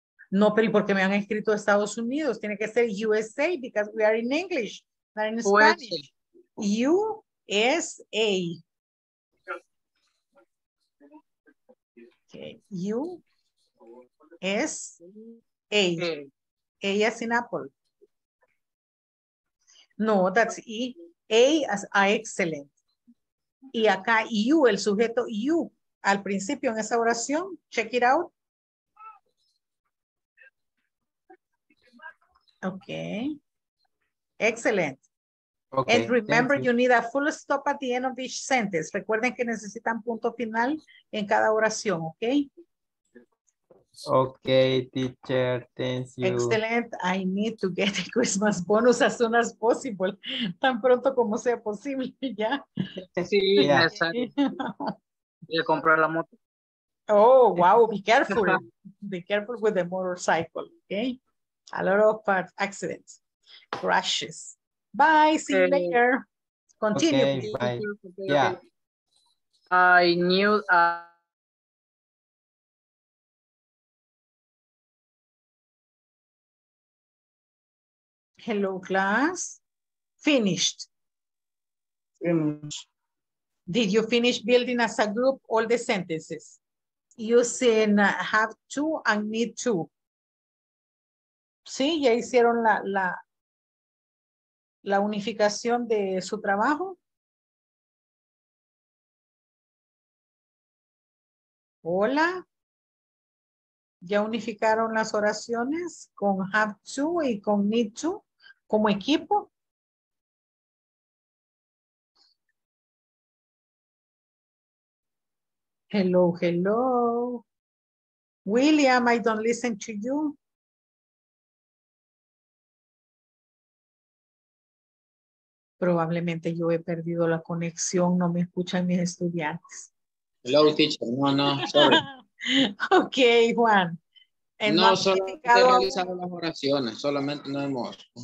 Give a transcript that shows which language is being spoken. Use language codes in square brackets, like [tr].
[es] No, pero ¿y por qué me han escrito Estados Unidos? Tiene que ser [en] USA because we are in English, not in Spanish. USA. Okay. USA. A as in apple. No, that's E. A as a excellent. [es] Y acá [en] you, el sujeto you. [es] Al principio en esa oración, [en] check it out. Okay, excellent. Okay, and remember, you need a full stop at the end of each sentence. [es] Recuerden que necesitan punto final en cada oración, okay? [en] Okay, teacher, thank you. Excellent, I need to get the Christmas bonus as soon as possible. [es] Tan pronto como sea posible, ¿ya? Sí, ya. Voy a comprar la moto. [en] Oh, wow, be careful. Be careful with the motorcycle, okay? A lot of accidents, crashes. Bye, see you later. Continue. Okay, bye. Yeah. I knew. Hello, class. Finished. Finished. Did you finish building as a group all the sentences? Using have to and need to. [es] Sí, ya hicieron la unificación de su trabajo. Hola. Ya unificaron las oraciones con have to y con need to como equipo. [en] Hello, hello. William, I don't listen to you. [es] Probablemente yo he perdido la conexión, no me escuchan mis estudiantes. [en] Hello, teacher. No, no, sorry. Ok, Juan. [es] And no, solo realizamos las oraciones, solamente no hemos.